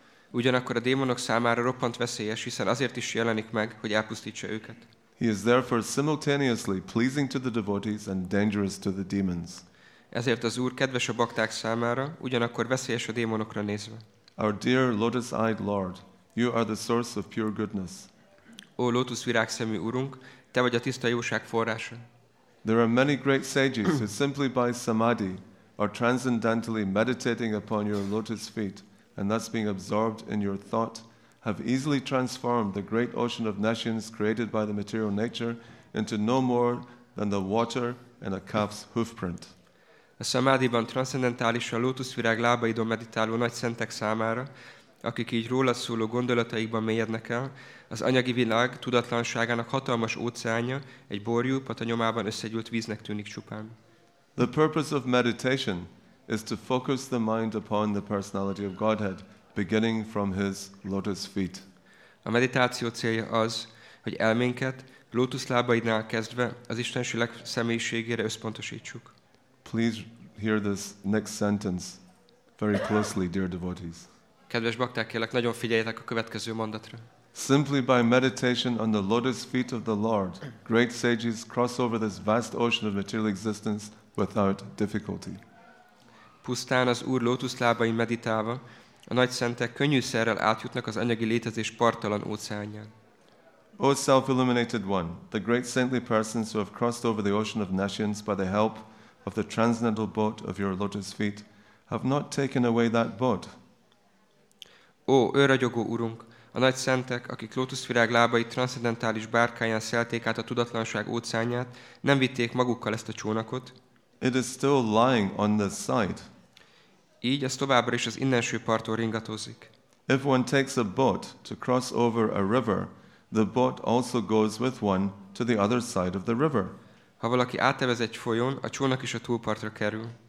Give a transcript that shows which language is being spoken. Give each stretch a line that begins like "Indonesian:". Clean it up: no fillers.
Hungarian: Ugyanakkor a démonok számára roppant veszélyes, hiszen azért is jelenik meg, hogy elpusztítsa őket.
English: He is therefore simultaneously pleasing to the devotees and dangerous to the demons.
Hungarian: Ezért az Úr kedves a bakták számára, ugyanakkor veszélyes a démonokra nézve.
English: Our dear lotus-eyed Lord, you are the source of pure goodness.
Hungarian: Ó lótuszvirágszemű Úrunk, te vagy a tiszta jóság forrása.
English: There are many great sages who simply by samadhi are transcendentally meditating upon your lotus feet, and thus being absorbed in your thought, have easily transformed the great ocean of nations created by the material nature into no more than the water in a calf's hoofprint.
Hungarian: A szamádiban transzendentális a lótuszvirág lábaidon meditáló nagy szentek számára, akik így róla szóló gondolataikban mélyednek el, az anyagi világ tudatlanságának hatalmas óceánja egy borjú patanyomában összegyűlt víznek tűnik csupán.
English: The purpose of meditation is to focus the mind upon the personality of Godhead, beginning from his lotus feet.
Hungarian: A meditáció célja az, hogy elménket lótuszlábaidnál kezdve az Istenség személyiségére összpontosítsuk.
English: Please hear this next sentence very closely, dear devotees.
Hungarian: Kedves bakták, kérlek, nagyon figyeljetek a következő mondatra.
English: Simply by meditation on the lotus feet of the Lord, great sages cross over this vast ocean of material existence without difficulty.
Hungarian: Pusztán az Úr lótuszlábain meditálva, a nagy szentek könnyűszerrel átjutnak az anyagi létezés parttalan óceánján.
English: O self-illuminated one, the great saintly persons who have crossed over the ocean of nations by the help of the transcendental boat of your lotus feet have not taken away that boat.
Hungarian: Ó, őragyogó Úrunk, a nagy szentek, akik lótuszvirág lábai transzcendentális bárkáján szelték át a tudatlanság óceánját, nem vitték magukkal ezt a csónakot.
English: It is still lying on the side.
Hungarian: Így ez továbbra is az innenső parton ringatózik.
English: If one takes a boat to cross over a river, the boat also goes with one to the other side of the river.
Hungarian: Ha valaki átevez egy folyón, a csónak is a túlpartra kerül.